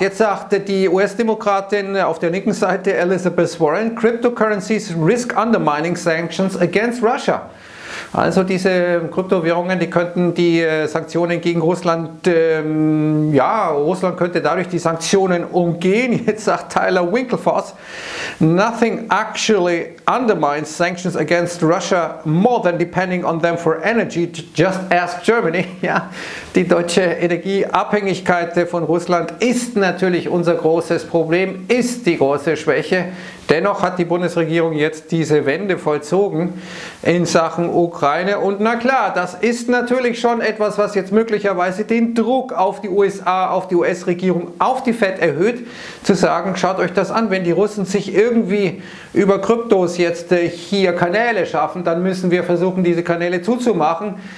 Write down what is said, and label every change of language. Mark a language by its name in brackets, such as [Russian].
[German] Jetzt sagte die US-Demokratin auf der linken Seite, Elizabeth Warren, [English] Cryptocurrencies risk undermining sanctions against Russia. [German] Also diese Kryptowährungen, die könnten die Sanktionen gegen Russland, Russland könnte dadurch die Sanktionen umgehen. Jetzt sagt [English] Tyler Winklevoss, nothing actually undermines sanctions against Russia more than depending on them for energy, just ask Germany. [German] Ja, die deutsche Energieabhängigkeit von Russland ist natürlich unser großes Problem, ist die große Schwäche. Dennoch hat die Bundesregierung jetzt diese Wende vollzogen in Sachen Ukraine. Und na klar, das ist natürlich schon etwas, was jetzt möglicherweise den Druck auf die USA, auf die US-Regierung, auf die Fed erhöht, zu sagen, schaut euch das an, wenn die Russen sich irgendwie über Kryptos jetzt hier Kanäle schaffen, dann müssen wir versuchen, diese Kanäle zuzumachen.